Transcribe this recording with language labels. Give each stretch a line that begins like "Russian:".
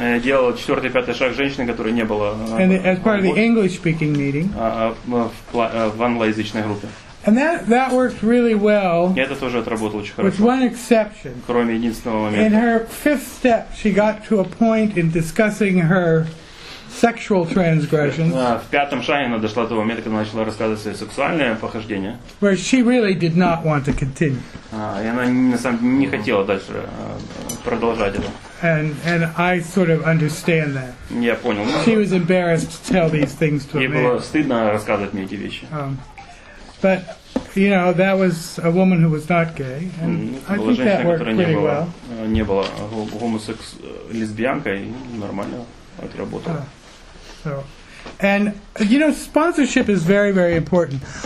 Russian: Делал четвертый, пятый шаг женщины, которая не была.
English: And as part of the English-speaking meeting.
Russian: В англоязычной группе.
English: And that worked really well.
Russian: Это тоже отработало очень хорошо.
English: With one exception.
Russian: Кроме единственного момента.
English: In her fifth step, she got to a point in discussing her sexual transgressions.
Russian: В пятом шаге она дошла до того момента, когда начала рассказывать свои сексуальные похождения.
English: Where she really did not want to continue.
Russian: И она на самом деле не хотела дальше продолжать это.
English: And I sort of understand that.
Russian: Я понял.
English: She was embarrassed to tell these things to me.
Russian: Ей было стыдно рассказывать мне эти вещи.
English: But you know, that was a woman who was not gay, and I think that worked pretty well.
Russian: Не была гомосекс-лесбиянкой, нормально отработала.
English: So, and you know, sponsorship is very, very important.